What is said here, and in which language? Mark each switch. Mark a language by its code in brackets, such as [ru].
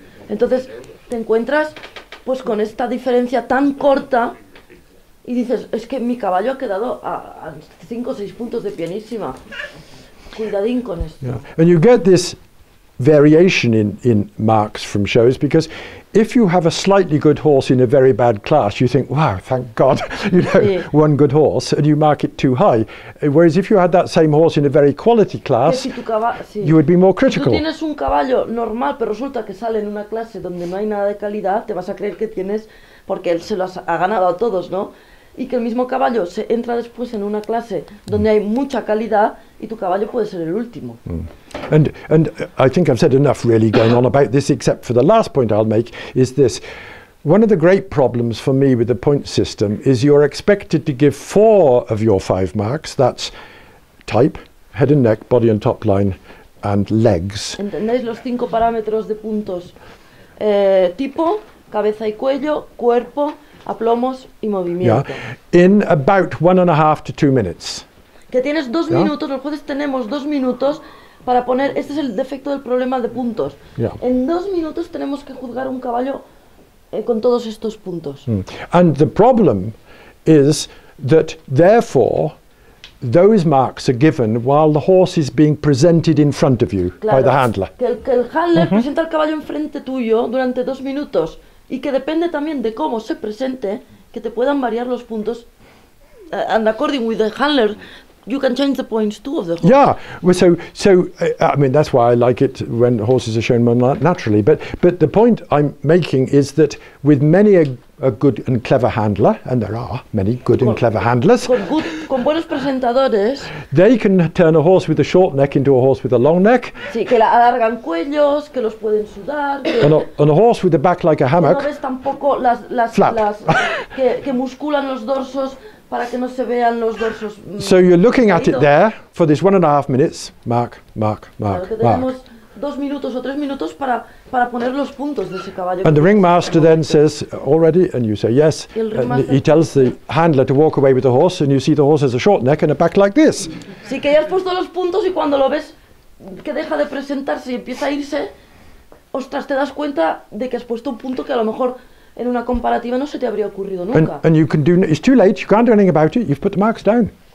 [es] Entonces, te encuentras pues con esta diferencia tan corta. Y dices, es que mi caballo ha quedado a 5 o 6 puntos de Pianísima. Cuidadín con esto. [en] Yeah. And you get this variation in marks from shows, because if you have a slightly good horse in a very bad class, you think, wow, thank God, you know, [es] sí, [en] one good horse, and you mark it too high. Whereas if you had that same horse in a very quality class, [es] que si tu caballo, sí, [en] you would be more critical. [es] Si tú tienes un caballo normal, pero resulta que sale en una clase donde no hay nada de calidad, te vas a creer que tienes... porque él se lo ha ganado a todos, ¿no? Y que el mismo caballo se entra después en una clase donde hay mucha calidad y tu caballo puede ser el último. [en] And I think I've said enough really going on about this, except for the last point I'll make is this. One of the great problems for me with the point system is you're expected to give 4 of your 5 marks, that's type, head and neck, body and top line, and legs. [es] ¿Entendéis los 5 parámetros de puntos? tipo, cabeza y cuello, cuerpo, aplomos y movimiento. [en] Yeah. In about 1.5 to 2 minutes. [es] Que tienes dos minutos, los jueces tenemos 2 minutos para poner, este es el defecto del problema de puntos. [en] Yeah. [es] En 2 minutos tenemos que juzgar un caballo con todos estos puntos. Mm. [en] And the problem is that therefore those marks are given while the horse is being presented in front of you, [es] claro, [en] by the handler. [es] Que el handler mm-hmm. presenta el caballo enfrente tuyo durante 2 minutos y que depende también de cómo se presente que te puedan variar los puntos. [en] And according with the handler, you can change the points too of the horse. Yeah, well, so I mean that's why I like it when horses are shown naturally. But the point I'm making is that with many a good and clever handler, and there are many good and clever handlers. [es] Con buenos presentadores. [en] They can turn a horse with a short neck into a horse with a long neck. [es] Sí, que la alargan cuellos, que los pueden sudar. [en] And a horse with a back like a hammock. [es] No ves tampoco las que musculan los dorsos. Para que no se vean los dorsos. [en] So you're looking at it there for this 1.5 minutes. Mark. [es] Claro, que tenemos 2 minutos o 3 minutos para poner los puntos de ese caballo. [en] And the ringmaster then says, already, and you say yes. He tells the handler to walk away with the horse, and you see the horse has a short neck and a back like this. [es] Sí, que ya has puesto los puntos y cuando lo ves que deja de presentarse y empieza a irse, ostras, te das cuenta de que has puesto un punto que a lo mejor en una comparativa no se te habría ocurrido nunca. [en] And you can do it's too late, you can't do anything about it, you've put the marks down.